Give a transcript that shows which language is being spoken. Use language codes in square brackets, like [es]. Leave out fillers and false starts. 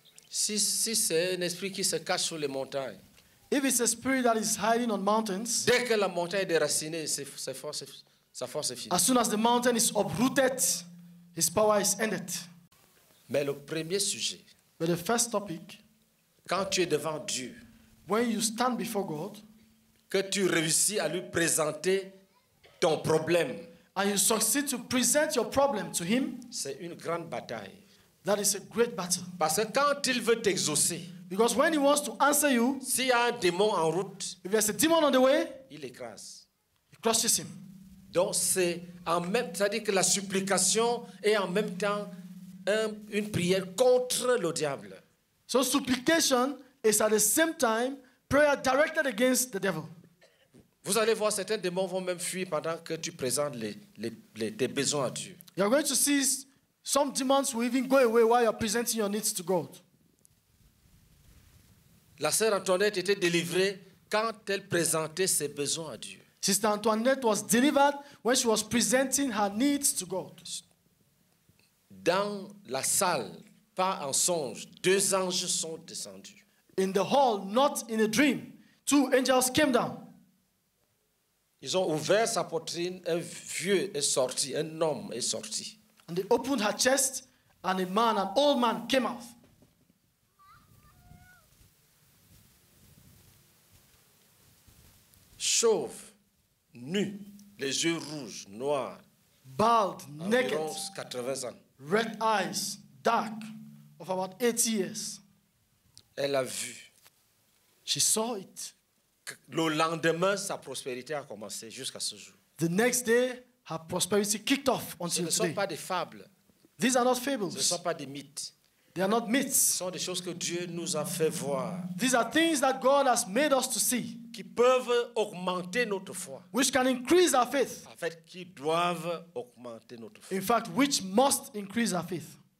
[fr] Si c'est un esprit qui se cache sous les montagnes, [en] if it's a spirit that is hiding on mountains, [fr] dès que la montagne est déracinée, sa force est finie. [en] As soon as the mountain is uprooted, his power is ended. [fr] Mais le premier sujet, [en] but the first topic, [fr] quand tu es devant Dieu, [en] when you stand before God, [fr] que tu réussis à lui présenter ton problème, [en] and you succeed to present your problem to him, [fr] c'est une grande bataille. [en] That is a great battle. [fr] Parce que quand il veut t'exaucer, [en] because when he wants to answer you, [fr] s'il y a un démon en route, [en] if there's a demon on the way, [fr] il écrase. [en] He crushes him. [fr] Donc c'est en même, c'est-à-dire que la supplication est en même temps une prière contre le diable. [en] So supplication is at the same time prayer directed against the devil. [fr] Vous allez voir, certains démons vont même fuir pendant que tu présentes tes besoins à Dieu. [en] You are going to see some demons will even go away while you are presenting your needs to God. [fr] La sœur Antoinette était délivrée quand elle présentait ses besoins à Dieu. [en] Sister Antoinette was delivered when she was presenting her needs to God. [fr] Dans la salle, pas en songe, deux anges sont descendus. [en] In the hall, not in a dream, two angels came down. [fr] Ils ont ouvert sa poitrine, un vieux est sorti, un homme est sorti. [en] And they opened her chest, and a man, an old man, came out. [fr] Chauve, nu, les yeux rouges, noirs. [en] Bald, naked. [fr] Environ 80 ans. [en] Red eyes, dark, of about 80 years. [fr] Elle a vu. [en] She saw it. [fr] Le lendemain, sa prospérité a commencé jusqu'à ce jour. [en] The next day, her prosperity kicked off until today. [fr] Ce ne sont pas des fables. [en] These are not fables. [fr] Ce ne sont pas des mythes. [en] They are not myths. [fr] Ce sont des choses que Dieu nous a fait voir. [en] These are things that God has made us to see. [fr] Qui peuvent augmenter notre foi. [en] Which can increase our faith. [fr] En fait, qui doivent augmenter notre foi. [en] In fact, which must increase our faith.